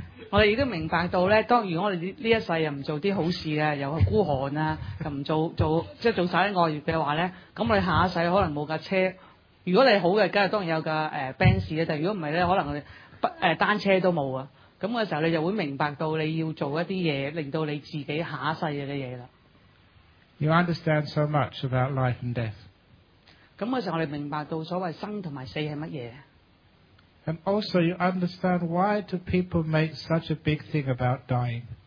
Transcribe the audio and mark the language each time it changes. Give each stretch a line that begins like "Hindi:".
Cantonese: 我哋亦都明白到咧，當然我哋呢一世又唔做啲好事啊，又孤寒啊，又唔做即係做曬啲惡業嘅話咧，咁我哋下一世可能冇架車。如果你好嘅，梗係當然有架Benz 啦。但如果唔係咧，可能單車都冇啊。咁嘅時候，你就會明白到你要做一啲嘢，令到你自己下一世嘅嘢啦。
English: You understand so much about life and death.
Cantonese: 咁嘅時候，我哋明白到所謂生同埋死係乜嘢。
English: And also you understand why do people make such a big thing about dying.